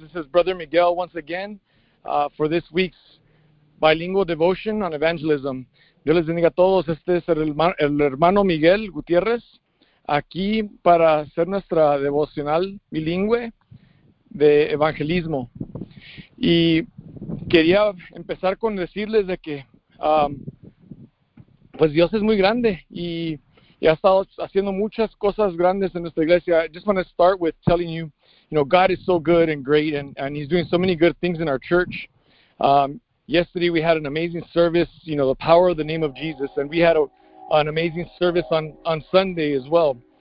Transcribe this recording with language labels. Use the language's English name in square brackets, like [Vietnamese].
[English] This is Brother Miguel once again for this week's bilingual devotion on evangelism. [Spanish] Yo les bendiga a todos. Este es el hermano Miguel Gutiérrez aquí para hacer nuestra devocional bilingüe de evangelismo. Y quería empezar con decirles de que pues Dios es muy grande y ha estado haciendo muchas cosas grandes en nuestra iglesia. [English] I just want to start with telling you, you know, God is so good and great, and he's doing so many good things in our church. Yesterday we had an amazing service, you know, the power of the name of Jesus, and we had an amazing service on Sunday as well.